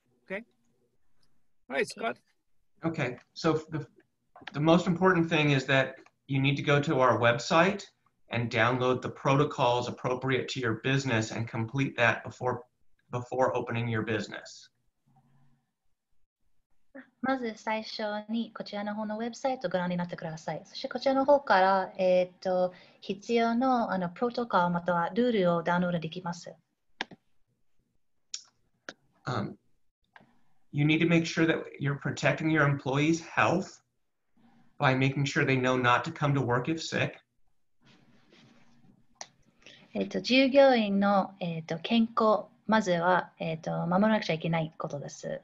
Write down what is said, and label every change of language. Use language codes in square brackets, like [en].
[en] Okay? All right, Scott. Okay, so the most important thing is that you need to go to our website and download the protocols appropriate to your business and complete that before opening your business. [ja] まず最初にこちらの方のウェブサイトをご覧になってください。そしてこちらの方から、必要の、プロトコルまたはルールをダウンロードできます。 [en] You need to make sure that you're protecting your employees' health by making sure they know not to come to work if sick. [ja] 従業員の、健康、まずは、守らなくちゃいけないことです。